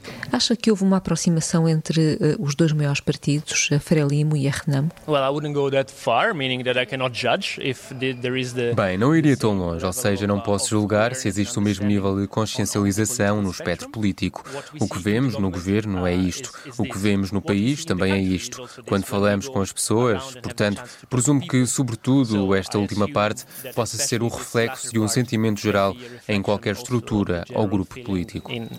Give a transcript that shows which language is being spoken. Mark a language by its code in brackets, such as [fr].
[pt] Acha que houve uma aproximação entre os dois maiores partidos, a Frelimo e a Renamo? [en] Well, I wouldn't go that far, meaning that I cannot judge if there is the. [pt] Bem, não iria tão longe, ou seja, não posso julgar se existe o mesmo nível de consciencialização no espectro político. O que vemos no governo é isto. O que vemos no país também é isto. Quando falamos com as pessoas, portanto, presumo que, sobretudo, esta última parte possa ser o reflexo de um sentimento geral em qualquer estrutura ou grupo político.